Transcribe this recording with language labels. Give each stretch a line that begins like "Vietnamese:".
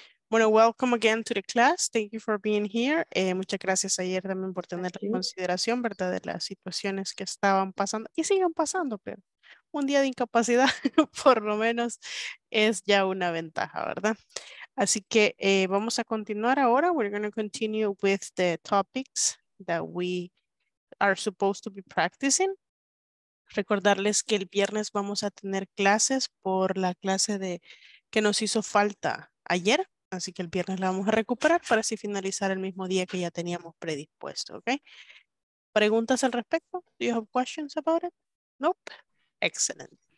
English: Bueno, welcome again to the class. Thank you for being here.
Spanish: Muchas gracias ayer también por tener en consideración, ¿verdad? De las situaciones que estaban pasando y siguen pasando, pero un día de incapacidad por lo menos es ya una ventaja, ¿verdad? Así que vamos a continuar ahora.
English: We're going to continue with the topics that we are supposed to be practicing.
Spanish: Recordarles que el viernes vamos a tener clases por la clase de que nos hizo falta ayer. Así que el viernes la vamos a recuperar para así finalizar el mismo día que ya teníamos predispuesto, ¿ok? ¿Preguntas al respecto?
English: Do you have questions about it? Nope. Excellent.